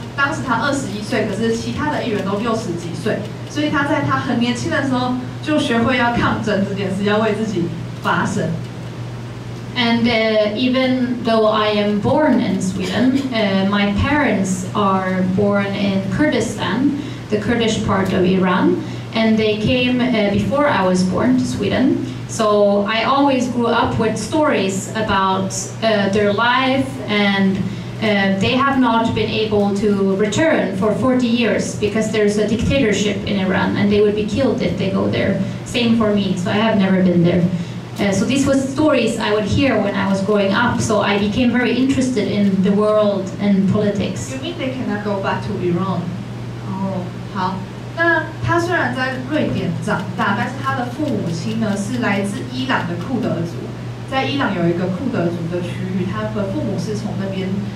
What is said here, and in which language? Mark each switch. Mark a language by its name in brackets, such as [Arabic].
[Chinese] 那所以右上角这张，哎，左上角这张照片就是他，因为他大概21岁的时候就被选为，就是顺利的参加选举，然后当选成为了市议会的议员这样子。那当时他21岁，可是其他的议员都60几岁。所以他在他很年轻的时候就学会要抗争这件事，要为自己发声。 [English] And even though I am born in Sweden, my parents are born in Kurdistan, the Kurdish part of Iran, and they came before I was born to Sweden. So I always grew up with stories about their life, and they have not been able to return for 40 years because there's a dictatorship in Iran and they would be killed if they go there. Same for me, so I have never been there. So these were stories I would hear when I was growing up, so I became very interested in the world and politics. You mean they cannot go back to Iran? [Chinese] Oh, 好。那他虽然在瑞典长大，但是他的父母亲呢是来自伊朗的库德族，在伊朗有一个库德族的区域，他的父母是从那边。